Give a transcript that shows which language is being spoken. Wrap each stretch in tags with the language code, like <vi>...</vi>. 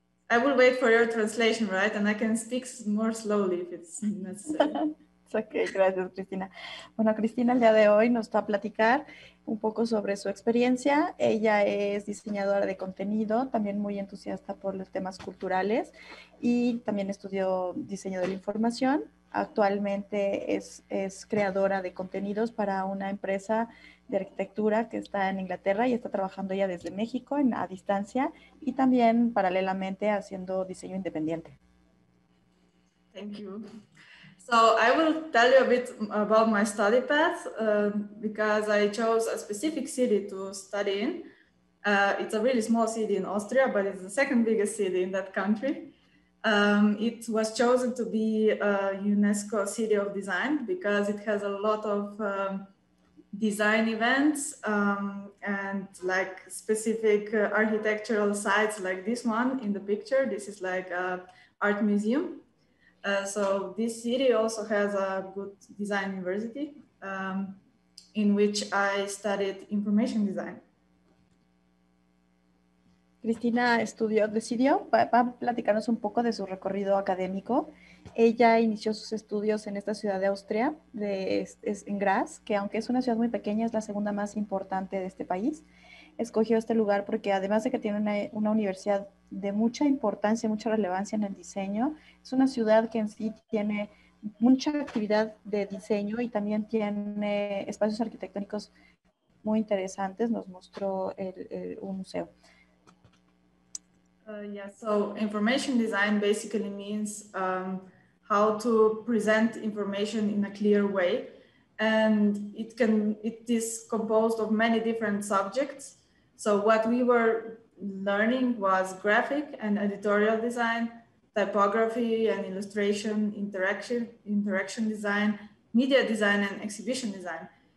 <en>I will wait for your translation, right? And I can speak more slowly if it's necessary.</en> <es>Okay, gracias, Cristina. Bueno, Cristina, el día de hoy nos va a platicar un poco sobre su experiencia. Ella es diseñadora de contenido, también muy entusiasta por los temas culturales y también estudió diseño de la información. Actualmente es creadora de contenidos para una empresa de arquitectura que está en Inglaterra y está trabajando ya desde México en, a distancia y también paralelamente haciendo diseño independiente.</es> <en>Thank you. So I will tell you a bit about my study path because I chose a specific city to study in. It's a really small city in Austria, but it's the second biggest city in that country. It was chosen to be a UNESCO City of Design because it has a lot of design events and like specific architectural sites like this one in the picture. This is like an art museum. So this city also has a good design university in which I studied information design.</en> <es>Cristina estudió, decidió, va a platicarnos un poco de su recorrido académico. Ella inició sus estudios en esta ciudad de Austria, en Graz, que aunque es una ciudad muy pequeña, es la segunda más importante de este país. Escogió este lugar porque además de que tiene una universidad de mucha importancia, mucha relevancia en el diseño, es una ciudad que en sí tiene mucha actividad de diseño y también tiene espacios arquitectónicos muy interesantes, nos mostró un museo.</es> <en>So information design basically means how to present information in a clear way, and it is composed of many different subjects. So what we were learning was graphic and editorial design, typography and illustration, interaction design, media design and exhibition design.</en>